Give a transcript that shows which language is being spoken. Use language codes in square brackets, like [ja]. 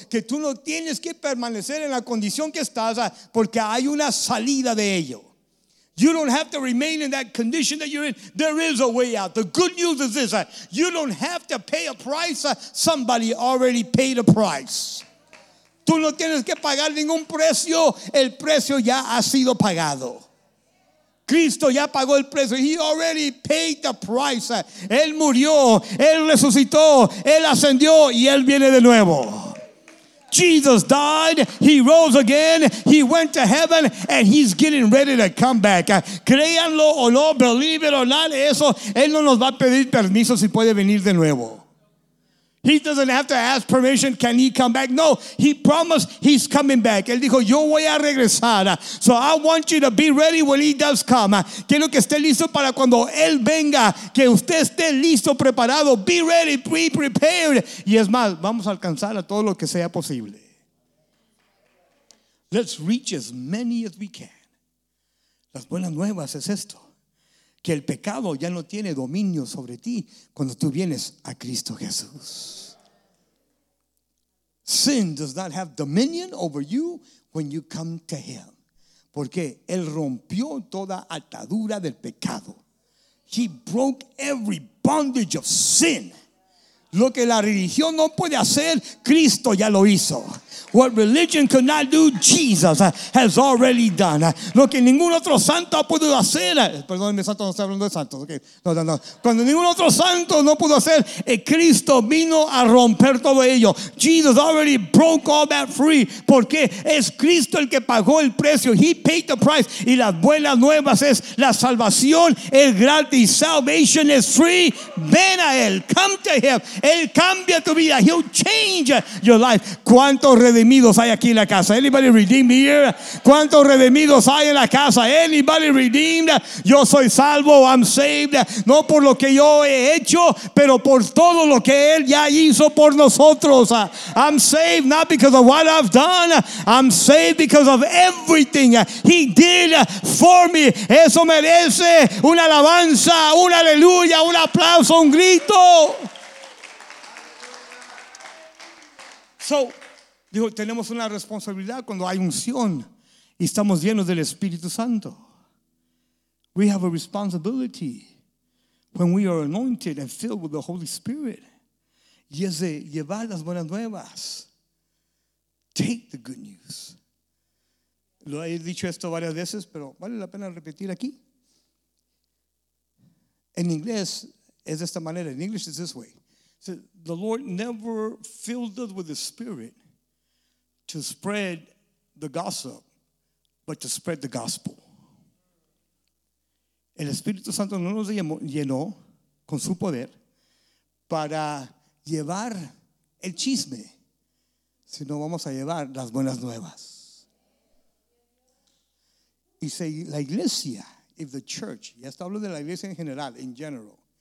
[es] Que tú no tienes que permanecer en la condición que estás porque hay una salida de ello. [en] You don't have to remain in that condition that you're in. There is a way out. The good news is this. You don't have to pay a price. Somebody already paid a price. [es] Tú no tienes que pagar ningún precio. El precio ya ha sido pagado. Cristo ya pagó el precio. [en] He already paid the price. [es] Él murió. Él resucitó. Él ascendió. Y Él viene de nuevo. [en] Jesus died, he rose again, he went to heaven, and he's getting ready to come back. [es] Créanlo o no, [en] believe it or not, [es] eso, él no nos va a pedir permiso si puede venir de nuevo. [en] He doesn't have to ask permission, can he come back? No, he promised he's coming back. [es] Él dijo, yo voy a regresar. [en] So I want you to be ready when he does come. [es] Quiero que esté listo para cuando él venga, que usted esté listo, preparado. [en] Be ready, be prepared. [es] Y es más, vamos a alcanzar a todo lo que sea posible. [en] Let's reach as many as we can. [es] Las buenas nuevas es esto, que el pecado ya no tiene dominio sobre ti cuando tú vienes a Cristo Jesús. [en] Sin does not have dominion over you when you come to Him. [es] Porque Él rompió toda atadura del pecado. [en] He broke every bondage of sin. [es] Lo que la religión no puede hacer, Cristo ya lo hizo. [en] What religion could not do, Jesus has already done. [es] Lo que ningún otro santo ha podido hacer. Perdónenme, santo, no estoy hablando de santos. Okay. No, no, no. Cuando ningún otro santo no pudo hacer, Cristo vino a romper todo ello. [en] Jesus already broke all that free. [es] Porque es Cristo el que pagó el precio. [en] He paid the price. [es] Y las buenas nuevas es la salvación es gratis. [en] Salvation is free. [es] Ven a Él. [en] Come to Him. [es] Él cambia tu vida. [en] He'll change your life. [es] ¿Cuántos redimidos hay aquí en la casa? [en] Anybody redeemed here? [es] ¿Cuántos redimidos hay en la casa? [en] Anybody redeemed? [es] Yo soy salvo. [en] I'm saved. [es] No por lo que yo he hecho, pero por todo lo que Él ya hizo por nosotros. [en] I'm saved not because of what I've done. I'm saved because of everything He did for me. [es] Eso merece una alabanza, una aleluya, un aplauso, un grito. So, dijo, tenemos una responsabilidad cuando hay unción y estamos llenos del Espíritu Santo. [en] We have a responsibility when we are anointed and filled with the Holy Spirit. [es] Y es de llevar las buenas nuevas. [en] Take the good news. [es] Lo he dicho esto varias veces, pero vale la pena repetir aquí. En inglés es de esta manera. [en] In English it's this way. So, the Lord never filled us with the Spirit to spread the gossip, but to spread the gospel. [es] El Espíritu Santo no nos llenó con su poder para llevar el chisme, sino vamos a llevar las buenas nuevas. Y si la iglesia, [en] if the church, [es] ya está hablando de la iglesia en general, [en] in general,